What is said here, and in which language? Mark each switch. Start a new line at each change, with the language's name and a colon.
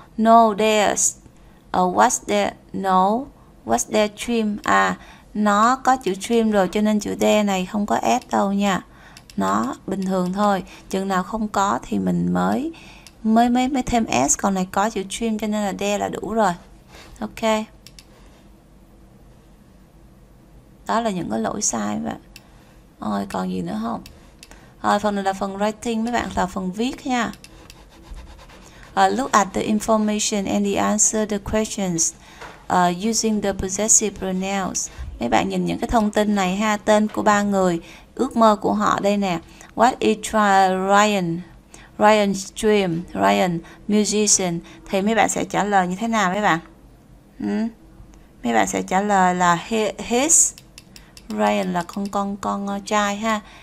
English: No, there's what's their, no, what's their dream?
Vietnamese: À, nó có chữ dream rồi cho nên chữ there này không có s đâu nha. Nó bình thường thôi. Chừng nào không có thì mình mới thêm s. Còn này có chữ dream cho nên là there là đủ rồi. Ok. Đó là những cái lỗi sai vậy. Rồi còn gì nữa không? Rồi phần này là phần writing mấy bạn, là phần viết nha.
English: Look at the information and the answer the questions using the possessive pronouns.
Vietnamese: Mấy bạn nhìn những cái thông tin này ha, tên của ba người, ước mơ của họ đây nè.
English: What is Ryan? Ryan's dream.
Vietnamese: Ryan, musician. Thì mấy bạn sẽ trả lời như thế nào mấy bạn? Mấy bạn sẽ trả lời là his. Ryan là con trai ha.